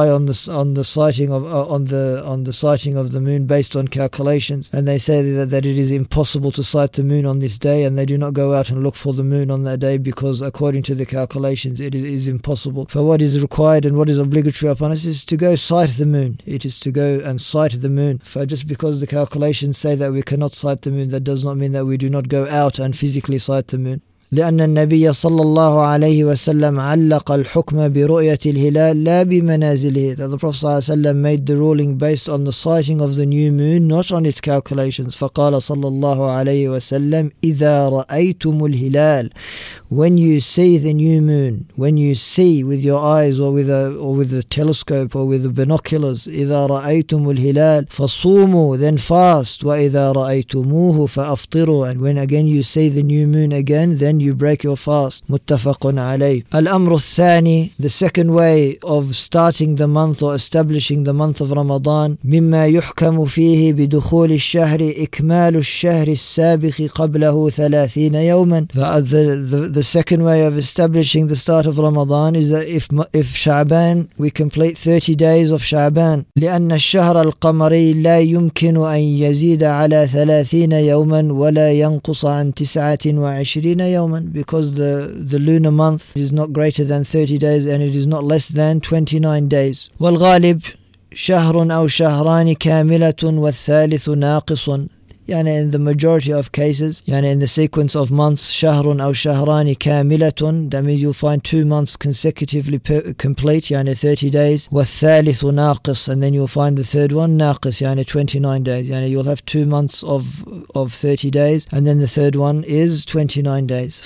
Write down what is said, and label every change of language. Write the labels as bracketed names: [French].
[English] rely on the sighting of the moon based on calculations, and they say that it is impossible to sight the moon on this day, and they do not go out and look for the moon on that day because according to the calculations it is impossible. For what is required and what is obligatory upon us is to go sight the moon. It is to go and sight the moon. For just because the calculations say that we cannot sight the moon, that does not mean that we do not go out and physically sight the moon. [Arabic] لأن النبي صلى الله عليه وسلم علق الحكم برؤية الهلال لا بمنازله. [English] That the Prophet صلى الله عليه وسلم made the ruling based on the sighting of the new moon, not on its calculations. [Arabic] فقال صلى الله عليه وسلم إذا رأيتم الهلال. [English] When you see the new moon, when you see with your eyes or with a telescope or with the binoculars, [Arabic] إذا رأيتم الهلال فصوموا, [English] then fast. [Arabic] وإذا رأيتموه فأفطروا. [English] And when again you see the new moon again, then you break your fast. [Arabic] متفق عليه. الأمر الثاني, [English] the second way of starting the month or establishing the month of Ramadan, [Arabic] مما يحكم فيه بدخول الشهر إكمال الشهر السابق قبله 30 يوما. [English] The second way of establishing the start of Ramadan is that if Sha'ban, we complete 30 days of Sha'ban. [Arabic] لأن الشهر القمري لا يمكن أن يزيد على 30 يوما ولا ينقص عن 29 يوما. [English] Because the lunar month is not greater than 30 days and it is not less than 29 days. [Arabic] والغالب شهر أو شهران كاملة والثالث ناقص. [English] يعني in the majority of cases, يعني in the sequence of months, [Arabic] شهر أو شهران كاملة, [English] that means you'll find 2 months consecutively complete, يعني 30 days, [Arabic] والثالث ناقص, [English] and then you'll find the third one ناقص, يعني 29 days, يعني you'll have 2 months of 30 days, and then the third one is 29 days.